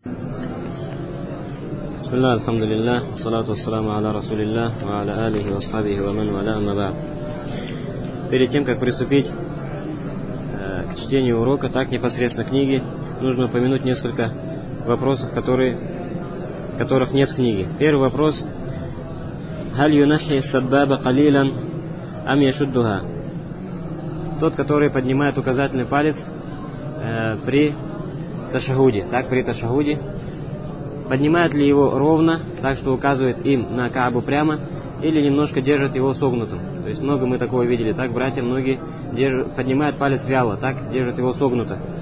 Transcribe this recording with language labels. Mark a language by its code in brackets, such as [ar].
[ar] بسم الله الحمد لله والصلاة والسلام على رسول الله وعلى آله وصحبه ومن والاه أما بعد. [ru] Перед тем как приступить к чтению урока, так непосредственно книги, нужно упомянуть несколько вопросов, которых нет в книге. Первый вопрос: [ar] هل ينحي السبابة قليلا أم يشدها? [ru] Тот, который поднимает указательный палец при ташахуде, поднимает ли его ровно, так что указывает им на Каабу прямо, или немножко держит его согнутым. То есть много мы такого видели. Так, братья, многие поднимают палец вяло, так держат его согнуто.